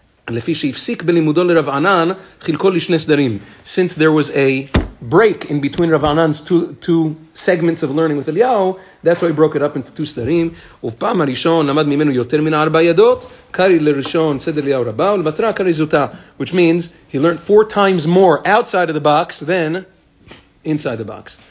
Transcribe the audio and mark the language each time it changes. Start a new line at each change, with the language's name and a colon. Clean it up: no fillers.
Hebrew: לפי שיפסיק בלימודו לרב ענן חילקו לשני סדרים.
English: Since there was a break in between Rav Anan's two segments of learning with Eliyahu, that's why he broke it up into two סדרים.
Hebrew: ופעם הראשון למד ממנו יותר מן ארבע ידות, קרי לראשון סדר אליהו רבה, ולבטרה קרי זוטה.
English: Which means he learned four times more outside of the box than inside the box.